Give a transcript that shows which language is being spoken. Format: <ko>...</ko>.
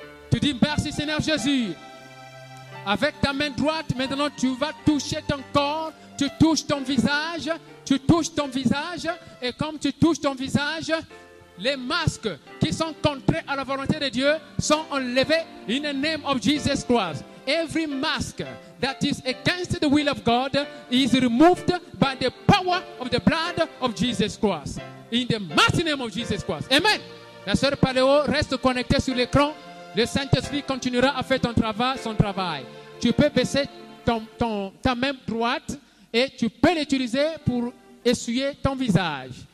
<fr>Tu dis merci Seigneur Jésus. Avec ta main droite, maintenant tu vas toucher ton corps. Tu touches ton visage. Tu touches ton visage. Et comme tu touches ton visage, les masques qui sont contraires à la volonté de Dieu sont enlevés.</fr> <en>In the name of Jesus Christ. Every mask that is against the will of God is removed by the power of the blood of Jesus Christ. In the mighty name of Jesus Christ. Amen.</en> <fr>La sœur Paléo reste connectée sur l'écran. Le Saint-Esprit continuera à faire ton travail, son travail. Tu peux baisser ta main droite et tu peux l'utiliser pour essuyer ton visage.</fr>